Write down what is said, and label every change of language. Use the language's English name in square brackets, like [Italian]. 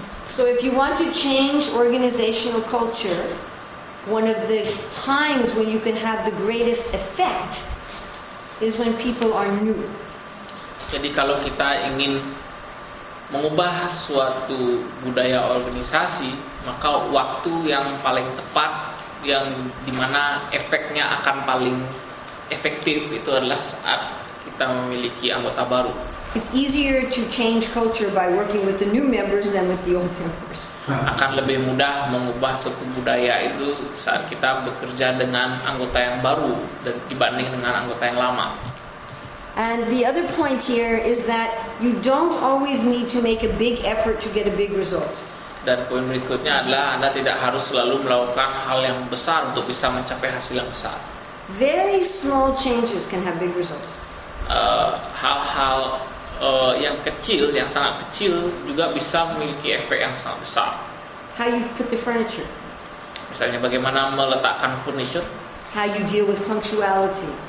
[English] So if you want to change organizational culture, one of the times when you can have the greatest effect is when people are new. [Indonesian] Jadi kalau kita ingin mengubah suatu budaya organisasi, maka waktu yang paling tepat, yang dimana efeknya akan paling efektif, itu adalah saat kita memiliki anggota baru. [English] It's easier to change culture by working with the new members than with the old members. [Indonesian] Akan lebih mudah mengubah suatu budaya itu saat kita bekerja dengan anggota yang baru dibanding dengan anggota yang lama. [English] And the other point here is that you don't always need to make a big effort to get a big result. [Indonesian] Dan poin berikutnya adalah Anda tidak harus selalu melakukan hal yang besar untuk bisa mencapai hasil yang besar. [English] Very small changes can have big results. [Indonesian] Hal-hal yang kecil, yang sangat kecil juga bisa memiliki efek yang sangat besar. [English] How you put the furniture. [Indonesian] Misalnya bagaimana meletakkan furniture. [English] How you deal with punctuality.